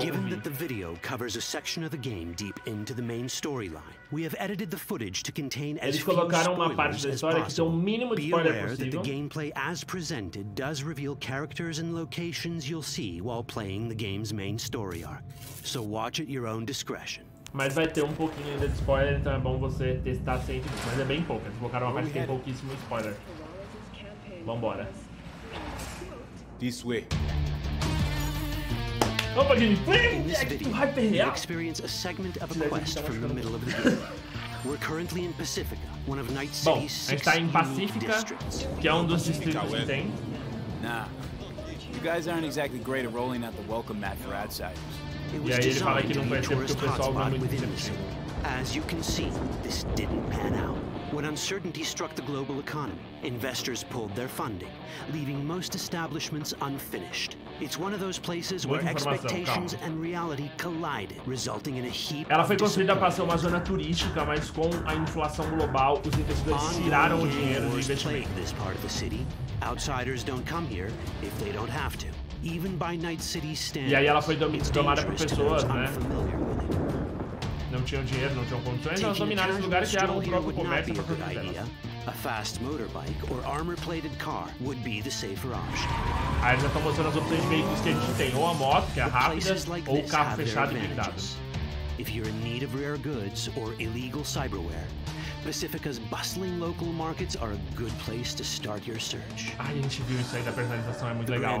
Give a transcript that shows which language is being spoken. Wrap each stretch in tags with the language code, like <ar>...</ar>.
<en>Given that the video covers a section of the game deep into the main storyline, we have edited the footage to contain as few spoilers as possible. Be aware that the gameplay as presented does reveal characters and locations you'll see while playing the game's main story arc. So watch at your own discretion.</en> <pt>Mas vai ter um pouquinho ainda de spoiler, então é bom você testar sempre, mas é bem pouco. Eles colocaram uma parte que tem pouquíssimo spoiler. Vambora.</pt> <en>This way.</en> <pt>Opa, gameplay! É que tem um hype real!</pt> <en>You experience a segment of a quest from the middle of the game. We're currently in Pacifica, one of Night City's six districts.</en> <pt>Bom, a gente tá em Pacifica, que é um dos distritos que tem.</pt> <en>Nah. You guys aren't exactly great at rolling out the welcome mat for outsiders.</en> <pt>E aí ele fala que não conhece porque o pessoal não é muito difícil.</pt> <en>As you can see, this didn't pan out. When uncertainty struck the global economy, investors pulled their funding, leaving most establishments unfinished. It's one of those places where expectations and reality collided, resulting in a heap.</en> <pt>Ela foi construída para ser uma zona turística, mas com a inflação global, os investidores tiraram o dinheiro de investimento.</pt> <en>This part of the city, outsiders don't come here if they don't have to. Even by Night City standards.</en> <pt>E aí ela foi tomada por pessoas, né? Não tinham dinheiro, não tinham condições, elas dominaram os lugares que eram o próprio comércio para fazer delas.</pt> <en>A fast motorbike or armor-plated car would be the safer option.</en> <pt>Aí já estão mostrando as opções de veículos que a gente tem, ou a moto, que é rápida, ou o carro fechado e blindado.</pt> <en>If you're in need of rare goods or illegal cyberware, Pacifica's bustling local markets are a good place to start your search.</en> <pt>Ai, a gente viu isso aí da personalização, é muito legal.</pt>